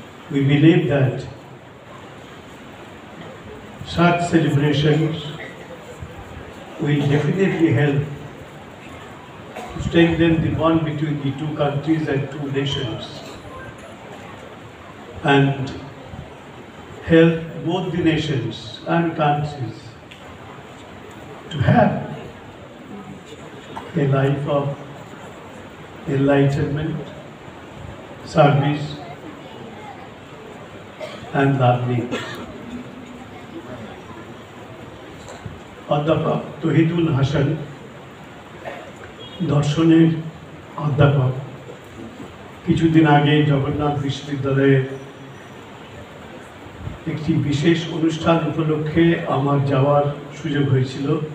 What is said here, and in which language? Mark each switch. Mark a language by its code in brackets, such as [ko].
[en] We believe that such celebration will definitely help to strengthen the bond between the two countries and two nations and help both the nations and countries to have a life of enlightenment, service and learning. [bn] অধ্যাপক তহিদুল হাসান দর্শনের অধ্যাপক, কিছুদিন আগে জগন্নাথ বিশ্ববিদ্যালয়ে একটি বিশেষ অনুষ্ঠান উপলক্ষে আমার যাওয়ার সুযোগ হয়েছিল।